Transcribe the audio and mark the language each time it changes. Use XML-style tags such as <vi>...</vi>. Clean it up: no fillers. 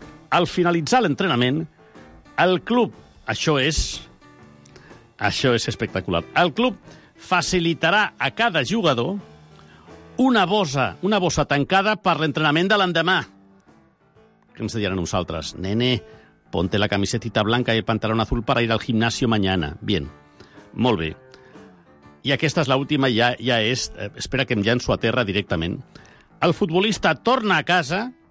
<ca>Al finalitzar l'entrenament, el club... Això és espectacular. El club facilitarà a cada jugador una bossa tancada per l'entrenament de l'endemà. Què ens diran uns altres?</ca> <es>Nene, ponte la camiseta blanca i el pantalón azul per ir al gimnasio mañana.</es> <ca>Bien, molt bé. I aquesta és l'última, ja és... Espera que em llenço a terra directament. El futbolista torna a casa...</ca>